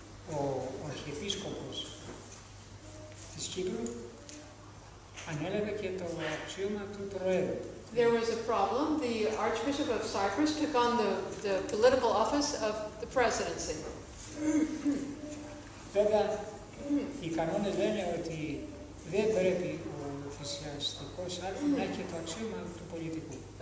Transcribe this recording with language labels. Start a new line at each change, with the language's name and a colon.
Greek: Ο αρχιεπίσκοπος της Κύπρου ανέλαβε και το αξίωμα του Προέδρου.
English: There was a problem. The Archbishop of Cyprus took on the political office of the presidency.
Greek: Βέβαια, οι κανόνες λένε ότι δεν πρέπει ο θυσιαστικός άρχης να έχει το αξίωμα του πολιτικού.